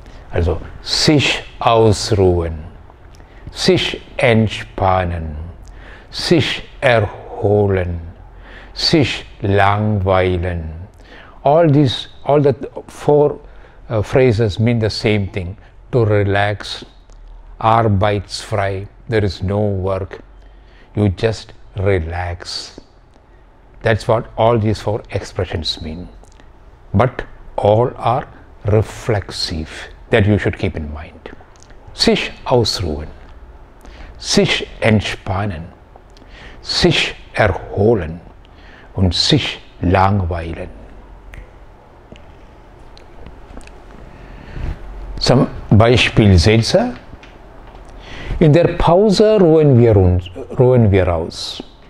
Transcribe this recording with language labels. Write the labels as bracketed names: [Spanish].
[German] Also sich ausruhen, sich entspannen, sich erholen, sich langweilen. [English] All these, all the four phrases mean the same thing. To relax, arbeitsfrei, there is no work. you just relax. That's what all these four expressions mean. But all are reflexive, that you should keep in mind. [German] Sich ausruhen, sich entspannen, sich erholen und sich langweilen. Zum Beispiel Sätze. In der Pause ruhen wir uns, ruhen wir aus.